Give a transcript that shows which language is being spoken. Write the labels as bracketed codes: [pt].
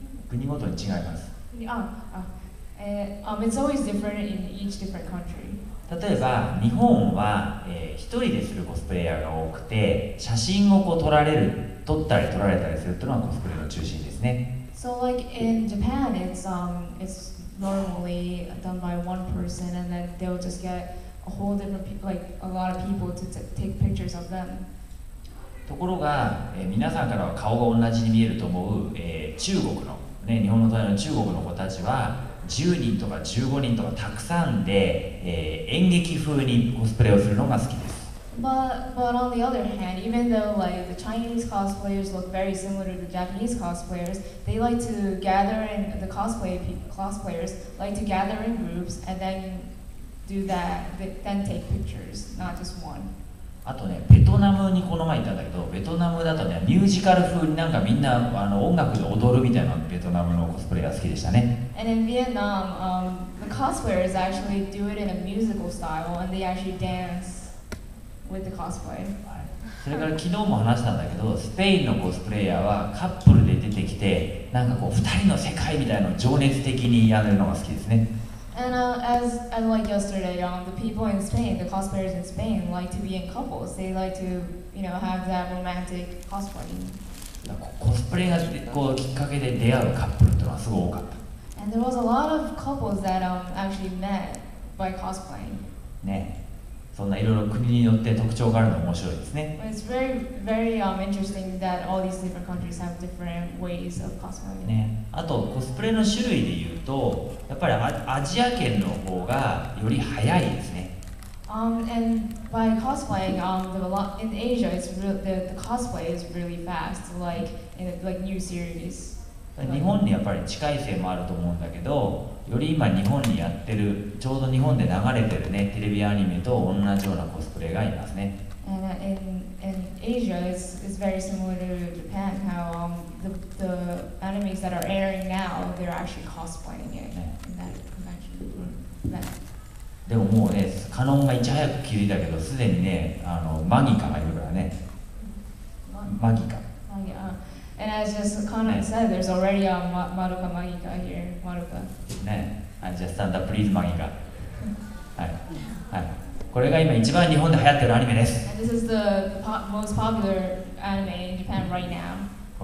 [ja] 国ごとに違います。 [en] It's always different in each different country. [ja] 例えば、日本は、一人でするコスプレイヤーが多くて、写真をこう撮られる。撮ったり撮られたりするというのはコスプレの中心ですね。 [en] So like in Japan, it's normally done by one person, and then they'll just get a whole different people, like a lot of people to take pictures of them. [ja] ところが、皆さんからは顔が同じに見えると思う、中国の、ね、日本の隣の中国の子たちは10人とか15人とかたくさんで、演劇風にコスプレをするのが好きです。 [en] But on the other hand, even though like the Chinese cosplayers look very similar to the Japanese cosplayers, they like to gather in the cosplayers like to gather in groups and then do that, then take pictures, not just one. [ja] あとね、ベトナムにこの前行ったんだけど、ベトナムだとね、ミュージカル風になんかみんな音楽で踊るみたいなベトナムのコスプレが好きでしたね。 [en] And in Vietnam, the cosplayers actually do it in a musical style and they actually dance. With the cosplay. [ja] それから昨日も話したんだけど、スペインのコスプレイヤーはカップルで出てきて、なんかこう二人の世界みたいなのを情熱的にやるのが好きですね。 [en] And as like yesterday, the people in Spain, the cosplayers in Spain like to be in couples. They like to, you know, have that romantic cosplay. [ja] コスプレがこうきっかけで出会うカップルというのはすごく多かった。 [en] And there was a lot of couples that actually met by cosplaying. ね。 [ja] そんないろいろ国によって特徴があるの面白いですね。 [en] It's very, very, interesting that all these different countries have different ways of cosplaying. ね。 [ja] あとコスプレの種類で言うと、やっぱりアジア圏の方がより早いですね。 [en] And by cosplaying, in Asia, the cosplay is really fast, like new series. [ja] 日本にやっぱり近いせいもあると思うんだけど、より今日本にやってる、ちょうど日本で流れてるね、テレビアニメと同じようなコスプレがいますね。 [en] And in Asia, it's very similar to Japan, how the animes that are airing now, they're actually cosplaying it in that convention. [ja] でももうね、カノンがいち早く気づいたけど、すでにね、あのマギカがいるからね。マギカ。 [en] And as just Kanon said, there's already a Madoka Magica here. Madoka. ね、just stand up, please, Magica. [ja] はい。はい。これが今一番日本で流行ってるアニメです。 [en] And this is the most popular anime in Japan right now.